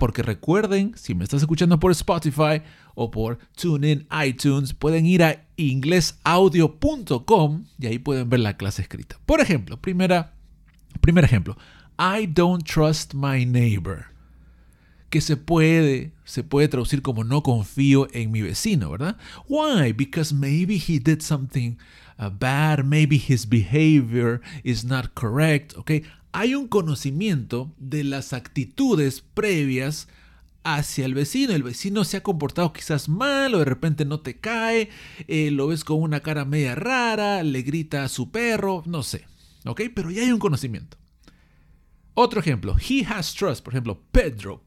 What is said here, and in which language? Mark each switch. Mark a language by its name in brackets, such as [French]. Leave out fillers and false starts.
[Spanish] Porque recuerden, si me estás escuchando por Spotify o por TuneIn, iTunes, pueden ir a inglesaudio.com y ahí pueden ver la clase escrita. Por ejemplo, primer ejemplo. [English] I don't trust my neighbor. [Spanish] Que se puede traducir como no confío en mi vecino, ¿verdad? [English] Why? Because maybe he did something bad, maybe his behavior is not correct, ¿ok? [Spanish] Hay un conocimiento de las actitudes previas hacia el vecino. El vecino se ha comportado quizás mal o de repente no te cae, lo ves con una cara media rara, le grita a su perro, no sé, ¿ok? Pero ya hay un conocimiento. Otro ejemplo, [English] he has trust, [Spanish] por ejemplo, Pedro.